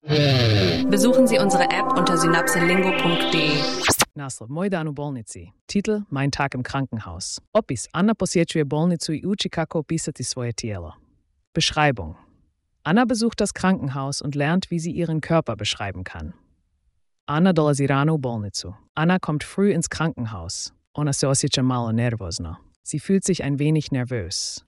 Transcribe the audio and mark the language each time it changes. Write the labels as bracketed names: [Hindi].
[German] Besuchen Sie unsere App unter synapselingo.de. [Croatian] Nasl, Mojdanu bolnici. [German] Titel, Mein Tag im Krankenhaus. [Croatian] Opis, Anna posjećuje bolnicu i uči kako opisati svoje tijelo. [German] Beschreibung. Anna besucht das Krankenhaus und lernt, wie sie ihren Körper beschreiben kann. [Croatian] Anna dolazi rano u bolnicu. [German] Anna kommt früh ins Krankenhaus. [Croatian] Ona se osjeća malo nervozno. [German] Sie fühlt sich ein wenig nervös.